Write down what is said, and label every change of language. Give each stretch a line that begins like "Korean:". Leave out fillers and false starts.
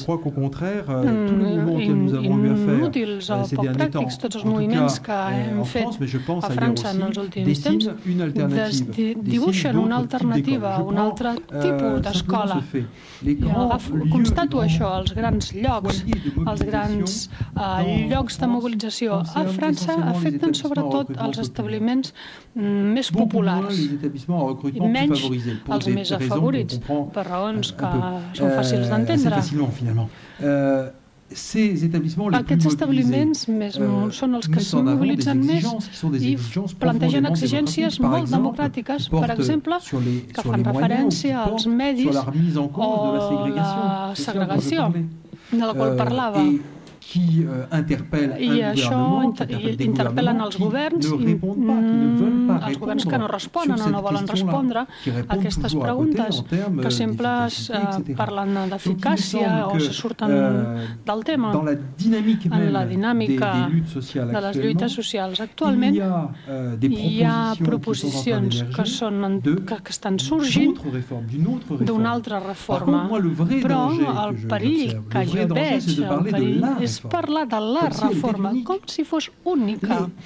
French: Je crois qu'au contraire, tous les mouvements que nous avons eu à faire ces derniers temps, en tout cas en France, mais je pense ailleurs aussi, dessinent une alternative, dessinent d'autres types d'écoles. Je prends ce que se fait.
Catalan: Constato això, els grans llocs, els grans llocs de mobilització a França afecten sobretot els establiments més populars i menys els més afavorits, per raons que són fàcils d'entendre. Aquests establiments són els que s'hi mobilitzen més i plantegen exigències molt democràtiques, per exemple, que fan referència als medis o la segregació de la qual parlava.
French: Qui interpelle un gouvernement, qui interpelle des gouvernements, qui ne répondent pas, qui ne veulent pas répondre.
Catalan: Els governs que no responen o no volen respondre a aquestes preguntes, que sempre parlen d'eficàcia o se surten del tema.
French: Dans la dynamique même
Catalan: en la dinàmica de les lluites socials actualment, hi ha proposicions que són que estan sorgint d'una altra reforma. Però el perill que jo veig, el perill és parlar de la reforma com si fos única.